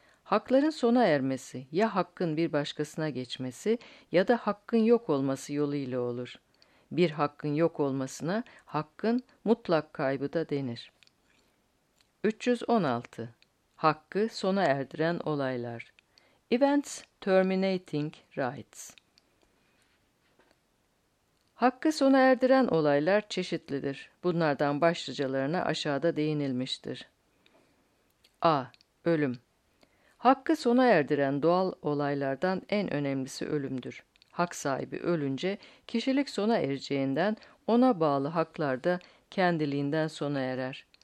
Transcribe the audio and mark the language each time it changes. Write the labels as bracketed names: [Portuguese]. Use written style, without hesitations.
[Turkish] Hakların sona ermesi, ya hakkın bir başkasına geçmesi ya da hakkın yok olması yoluyla olur. Bir hakkın yok olmasına hakkın mutlak kaybı da denir. 316. Hakkı sona erdiren olaylar. [English] Events terminating rights. [Turkish] Hakkı sona erdiren olaylar çeşitlidir. Bunlardan başlıcalarına aşağıda değinilmiştir. A. Ölüm. Hakkı sona erdiren doğal olaylardan en önemlisi ölümdür. Hak sahibi ölünce kişilik sona ereceğinden ona bağlı haklar da kendiliğinden sona erer.